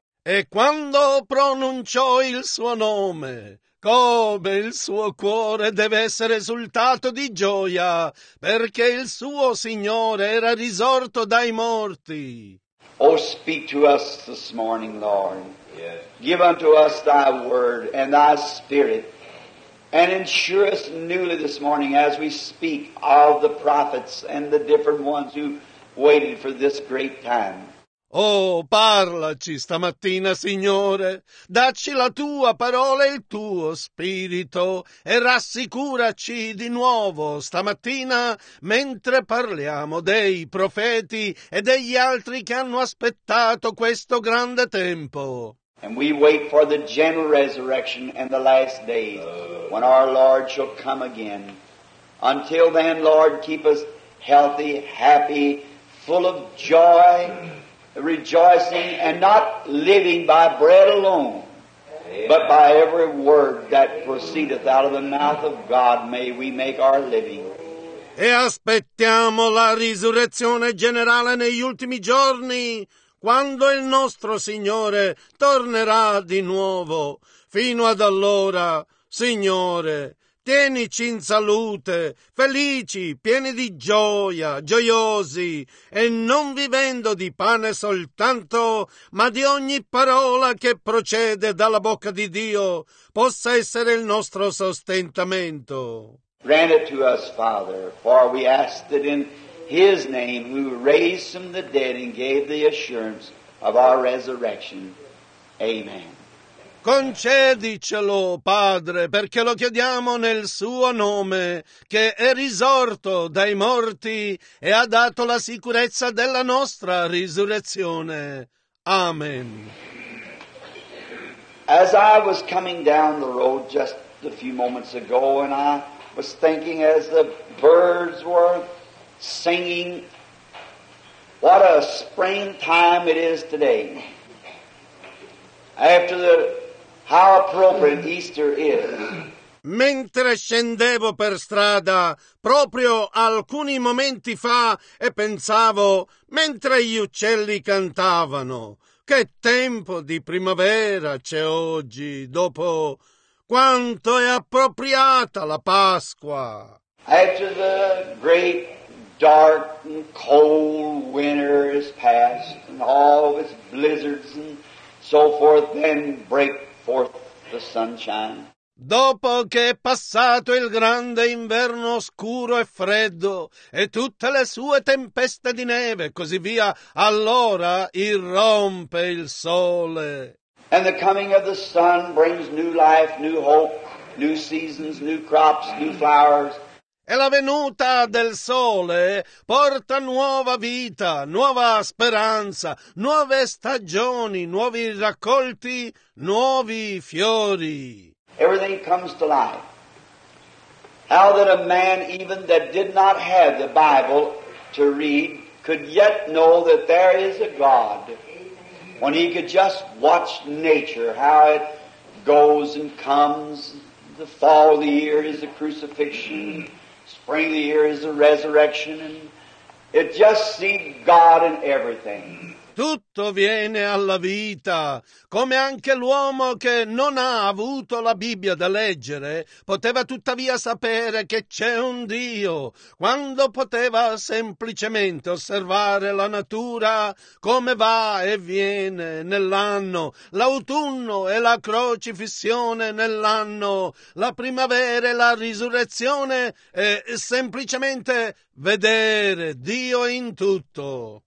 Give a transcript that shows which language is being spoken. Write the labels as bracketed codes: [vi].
[it] E quando pronunciò il suo nome, come il suo cuore deve essere esultato di gioia, perché il suo Signore era risorto dai morti. [en] Oh, speak to us this morning, Lord. Yes. Give unto us thy word and thy spirit. And ensure us newly this morning as we speak of the prophets and the different ones who waited for this great time. [it] Oh, parlaci stamattina, Signore. Dacci la tua parola e il tuo spirito e rassicuraci di nuovo stamattina mentre parliamo dei profeti e degli altri che hanno aspettato questo grande tempo. [en] And we wait for the general resurrection and the last days when our Lord shall come again. Until then, Lord, keep us healthy, happy, full of joy, rejoicing, and not living by bread alone, Amen. But by every word that proceedeth out of the mouth of God, may we make our living. [it] E aspettiamo la risurrezione generale negli ultimi giorni, quando il nostro Signore tornerà di nuovo. Fino ad allora, Signore, tienici in salute, felici, pieni di gioia, gioiosi, e non vivendo di pane soltanto, ma di ogni parola che procede dalla bocca di Dio, possa essere il nostro sostentamento. [en] Grant it to us, Father, for we asked it in His name, who raised from the dead and gave the assurance of our resurrection. Amen. [it] Concedicelo, Padre, perché lo chiediamo nel suo nome, che è risorto dai morti e ha dato la sicurezza della nostra risurrezione. Amen. [en] As I was coming down the road just a few moments ago, and I was thinking as the birds were singing, what a springtime it is today. After the how appropriate Easter is. [it] Mentre scendevo per strada, proprio alcuni momenti fa, e pensavo, mentre gli uccelli cantavano, che tempo di primavera c'è oggi, dopo quanto è appropriata la Pasqua. [en] After the great dark and cold winter is past, and all of its blizzards and so forth, then break forth the sunshine. [it] Dopo che è passato il grande inverno oscuro e freddo e tutte le sue tempeste di neve e così via, allora irrompe il sole. [en] And the coming of the sun brings new life, new hope, new seasons, new crops, new flowers. [it] E la venuta del sole porta nuova vita, nuova speranza, nuove stagioni, nuovi raccolti, nuovi fiori. [en] Everything comes to life. How that a man even that did not have the Bible to read could yet know that there is a God when he could just watch nature, how it goes and comes, the fall of the year is the crucifixion, spring of the year is the resurrection, and it just see God in everything. [it] Tutto viene alla vita, come anche l'uomo che non ha avuto la Bibbia da leggere poteva tuttavia sapere che c'è un Dio, quando poteva semplicemente osservare la natura come va e viene nell'anno, l'autunno e la crocifissione nell'anno, la primavera e la risurrezione, e semplicemente vedere Dio in tutto.